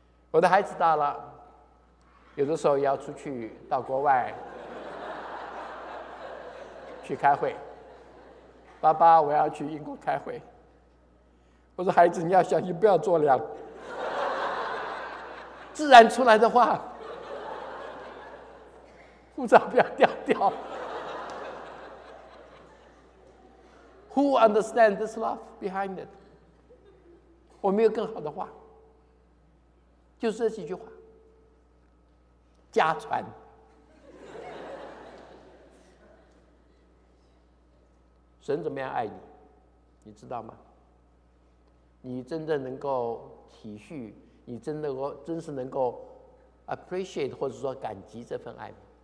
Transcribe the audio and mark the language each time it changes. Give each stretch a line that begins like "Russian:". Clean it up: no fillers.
Chinese: 我的孩子大了，有的时候要出去到国外去开会，爸爸我要去英国开会，我说孩子你要小心不要着凉，自然出来的话，护照不要掉掉。
English: Who understands this love behind it?
Chinese: 我没有更好的话，就是这几句话。家传。神怎么样爱你，你知道吗？你真正能够体恤，你真的真是能够 appreciate 或者说感激这份爱吗？